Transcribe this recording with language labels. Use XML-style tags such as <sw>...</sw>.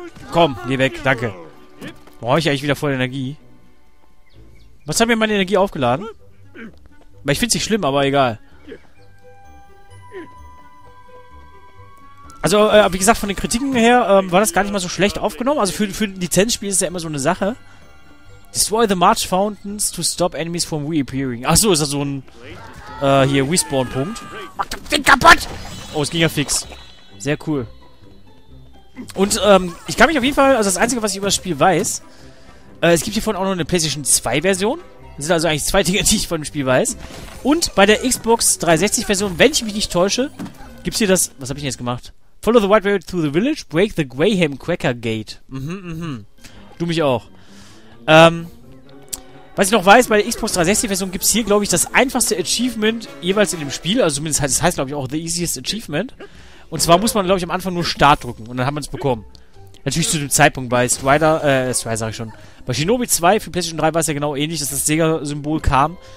<de>Komm, geh weg, danke. Brauche ich eigentlich wieder voll Energie. Was hat mir meine Energie aufgeladen? Ich find's nicht schlimm, aber egal. Also, wie gesagt, von den Kritiken her war das gar nicht mal so schlecht aufgenommen. Also für ein Lizenzspiel ist ja immer so eine Sache.</de> <en>Destroy the March Fountains to stop enemies from reappearing.</en> <de>Achso, ist das so ein, hier, Respawn-Punkt. Mach den Ding kaputt! Oh, es ging ja fix. Sehr cool. Und, ich kann mich auf jeden Fall, also das Einzige, was ich über das Spiel weiß, es gibt hiervon auch noch eine PlayStation 2-Version. Das sind also eigentlich zwei Dinge, die ich von dem Spiel weiß. Und bei der Xbox 360-Version, wenn ich mich nicht täusche, gibt's hier das... Was hab ich denn jetzt gemacht?</de> <en>Follow the White Rabbit through the village, break the Graham Cracker Gate.</en> <de>Du mich auch. Was ich noch weiß, bei der Xbox 360-Version gibt's hier, glaube ich, das einfachste Achievement jeweils in dem Spiel. Also zumindest heißt, das heißt, glaube ich, auch</de> <en>the easiest achievement.</en> <de>Und zwar muss man, glaube ich, am Anfang nur Start drücken. Und dann haben wir es bekommen. Natürlich zu dem Zeitpunkt bei Strider... Strider sag ich schon. Bei Shinobi 2 für PlayStation 3 war es ja genau ähnlich, dass das Sega-Symbol kam.</de>